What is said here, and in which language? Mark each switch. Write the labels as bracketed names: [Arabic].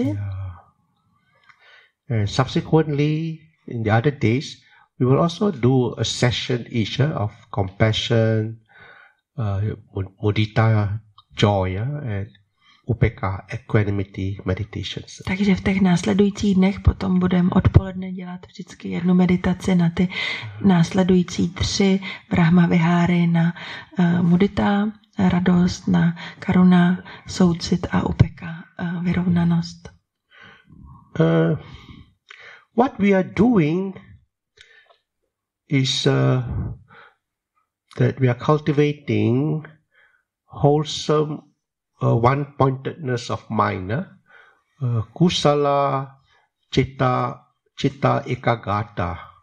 [English] Yeah. And subsequently, in the other days, we will also do a session each of compassion, mudita, joy, and upeka, equanimity meditations. [Czech] Takže v těch následujících dnech potom budeme odpoledne dělat vždycky jednu meditaci na ty následující tři Brahma Viháry, na mudita, radost, na karuna, soucit a upeka, vyrovnanost. [English] What we are doing is that we are cultivating wholesome one-pointedness of mind, kusala, citta, citta ekagata.